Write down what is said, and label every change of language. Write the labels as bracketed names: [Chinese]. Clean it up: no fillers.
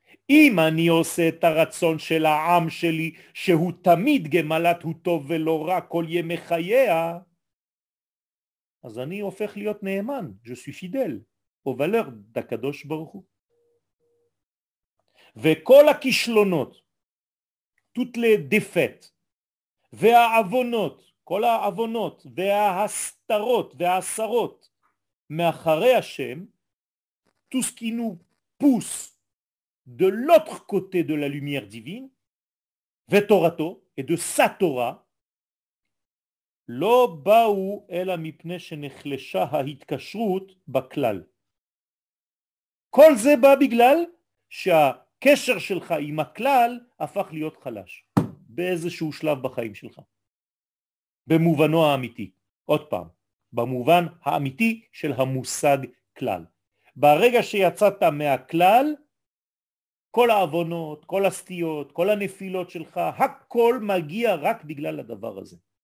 [Hebrew] אם אני עושה את הרצון של העם שלי, שהוא תמיד גמלת הוא טוב ולא רע כל ימי חייה, אז אני הופך להיות נאמן, [French] je suis fidèle, au valeur d' [Hebrew] הקדוש ברוך הוא. וכל הכישלונות, [French] toutes les défaites, [Hebrew] והאבונות, כל האבונות, וההסתרות, והאסרות, מאחרי השם, [French] tout ce qui nous pousse de l'autre côté de la lumière divine, [Hebrew] ותורתו, [French] et de sa Torah, [Hebrew] לא באו אלא מפני שנחלשה ההתקשרות בכלל. כל זה בא בגלל שהקשר שלך עם הכלל הפך להיות חלש באיזשהו שלב בחיים שלך. במובנו האמיתי, עוד פעם, במובן האמיתי של המושג כלל. ברגע שיצאת מהכלל, כל האבונות, כל הסטיות, כל הנפילות שלך, הכל מגיע רק בגלל הדבר הזה.